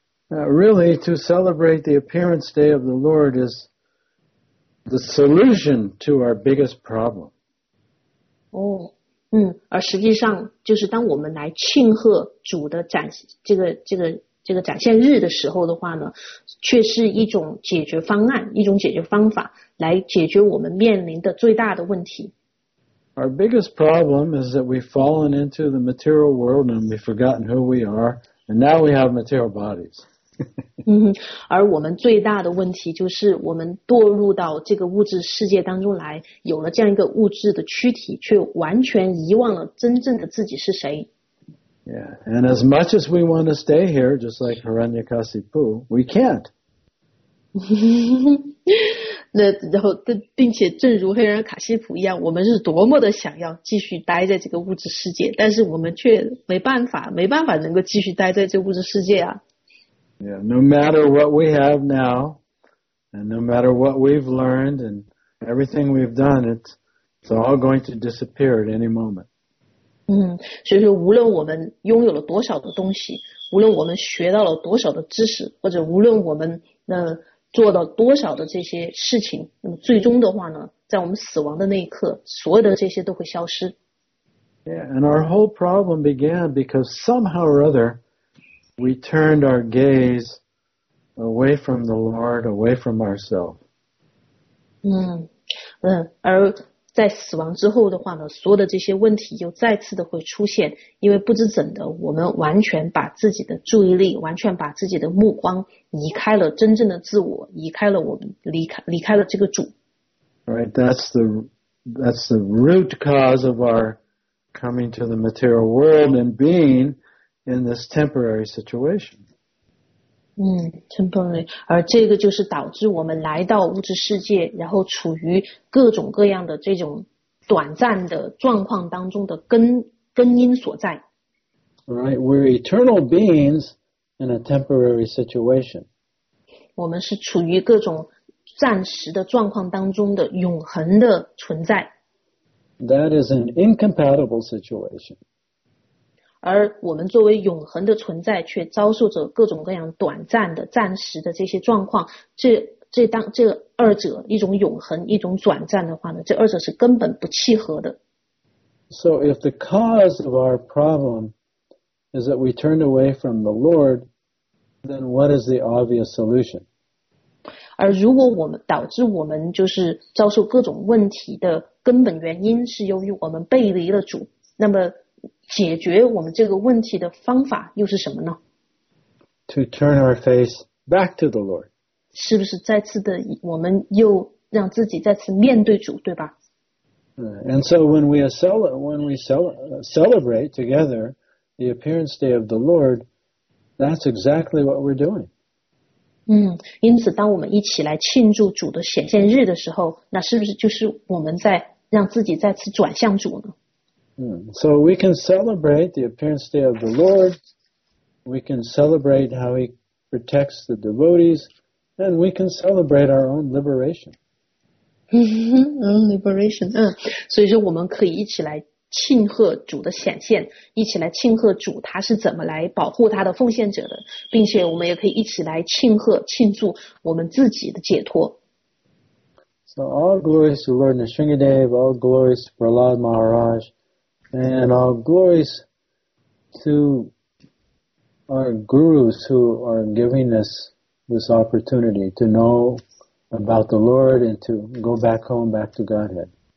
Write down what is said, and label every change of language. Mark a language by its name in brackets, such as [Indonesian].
[English] Really, to celebrate the appearance day of the Lord is the solution to our biggest problem. [Chinese] 而实际上就是当我们来庆贺主的展现日的时候的话呢，却是一种解决方案，一种解决方法，来解决我们面临的最大的问题。 [English] Our biggest problem is that we've fallen into the material world and we've forgotten who we are, and now we have material bodies. [Chinese] 而我们最大的问题就是我们堕入到这个物质世界当中来，有了这样一个物质的躯体，却完全遗忘了真正的自己是谁。 [English] Yeah, and as much as we want to stay here, just like Hiranyakasipu, we can't. [Chinese] 那然后并且正如黑人卡西普一样，我们是多么的想要继续待在这个物质世界，但是我们却没办法能够继续待在这个物质世界啊。 [English] Yeah, no matter what we have now, and no matter what we've learned and everything we've done, it's all going to disappear at any moment. [Chinese] 所以说无论我们拥有了多少的东西，无论我们学到了多少的知识，或者无论我们做到多少的这些事情，那么最终的话呢，在我们死亡的那一刻，所有的这些都会消失。 [English] Yeah, and our whole problem began because somehow or other, we turned our gaze away from the Lord, away from ourselves. [Chinese] 而在死亡之后的话呢，所有的这些问题又再次的会出现，因为不知怎的，我们完全把自己的注意力，完全把自己的目光移开了真正的自我，移开了我们，离开了这个主。 [English] Right, that's the root cause of our coming to the material world and being in this temporary situation. Temporary. [Chinese] 而这个就是导致我们来到物质世界，然后处于各种各样的这种短暂的状况当中的根因所在。 [English] Right, we're eternal beings in a temporary situation. [Chinese] 我们是处于各种暂时的状况当中的永恒的存在。 [English] That is an incompatible situation. [Chinese] 而我们作为永恒的存在，却遭受着各种各样短暂的、暂时的这些状况。这二者，一种永恒，一种短暂的话呢，这二者是根本不契合的。 [English] So if the cause of our problem is that we turned away from the Lord, then what is the obvious solution? [Chinese] 而如果我们导致我们就是遭受各种问题的根本原因是由于我们背离了主，那么解决我们这个问题的方法又是什么呢？ [English] To turn our face back to the Lord. [Chinese] 是不是再次的我们又让自己再次面对主，对吧？ [English] And so when we celebrate together the appearance day of the Lord, that's exactly what we're doing. [Chinese] 因此当我们一起来庆祝主的显现日的时候，那是不是就是我们在让自己再次转向主呢？ [English] So we can celebrate the appearance day of the Lord, we can celebrate how he protects the devotees, and we can celebrate our own liberation. liberation. [Chinese] 所以说我们可以一起来庆贺主的显现，一起来庆贺主他是怎么来保护他的奉献者的，并且我们也可以一起来庆祝我们自己的解脱。 [English] So all glories to Lord Nrisimhadev, all glories to Prahlad Maharaj,And all glories to our gurus who are giving us this opportunity to know about the Lord and to go back home, back to Godhead.